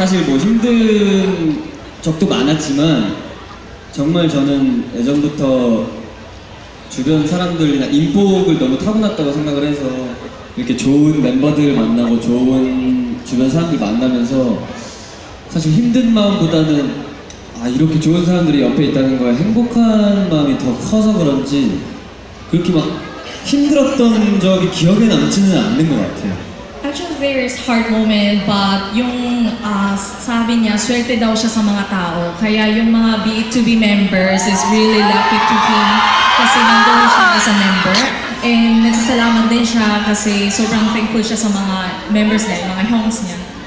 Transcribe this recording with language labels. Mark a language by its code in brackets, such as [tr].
[ko] 힘든 적도 많았지만 정말 저는 예전부터 주변 사람들이나 인복을 너무 타고났다고 생각을 해서 이렇게 좋은 멤버들 만나고 좋은 주변 사람들 만나면서 사실 힘든 마음보다는 아 이렇게 좋은 사람들이 옆에 있다는 거에 행복한 마음이 더 커서 그런지 그렇게 막 힘들었던 적이 기억에 남지는 않는 것 같아요. [en] Actually, there is hard moment, but [tl] yung sabi niya, swerte daw siya sa mga tao. [en] Kaya yung mga B2B members is really lucky to him [tl] kasi nandun siya [en] as a member. [tl] And nagsasalamat din siya kasi sobrang thankful siya sa mga members niya, mga homes niya.